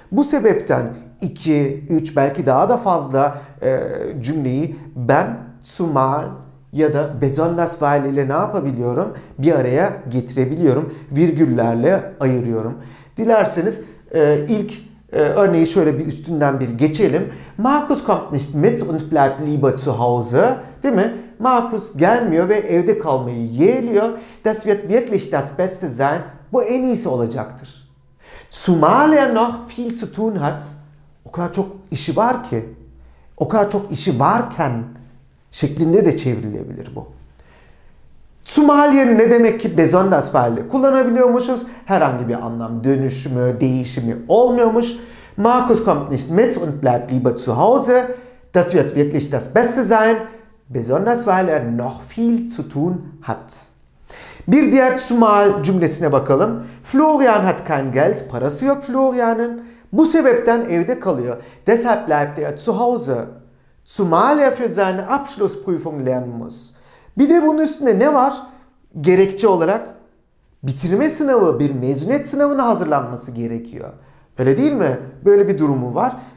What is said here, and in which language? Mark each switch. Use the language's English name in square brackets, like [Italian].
[Turkish] Bu sebepten 2, 3 belki daha da fazla cümleyi ben zumal ya da [German] besonders weil [Turkish] ile ne yapabiliyorum? Bir araya getirebiliyorum. Virgüllerle ayırıyorum. Dilerseniz ilk örneği şöyle bir üstünden bir geçelim. [German] Markus kommt nicht mit und bleibt lieber zu Hause. [Turkish] Değil mi? Markus gelmiyor ve evde kalmayı yeğliyor. [German] Das wird wirklich das Beste sein. [Turkish] Bu en iyisi olacaktır. [German] Zumal er noch viel zu tun hat. [Turkish] O kadar çok işi var ki. O kadar çok işi varken şeklinde de çevrilebilir bu. Zumal yerine ne demek ki [German] besonders weil [Turkish] kullanabiliyormuşuz. Herhangi bir anlam dönüşümü, değişimi olmuyormuş. [German] Markus kommt nicht mit und bleibt lieber zu Hause. Das wird wirklich das Beste sein. Besonders weil noch viel zu tun hat. [Turkish] Bir diğer zumal cümlesine bakalım. [German] Florian hat kein Geld. [Turkish] Parası yok Florian'ın. Bu sebepten evde kalıyor. [German] Deshalb bleibt zu Hause. Zumal für seine Abschlussprüfung lernen muss. [Turkish] Bir de bunun üstünde ne var? Gerekçe olarak bitirme sınavı, bir mezuniyet sınavına hazırlanması gerekiyor. Öyle değil mi? Böyle bir durumu var.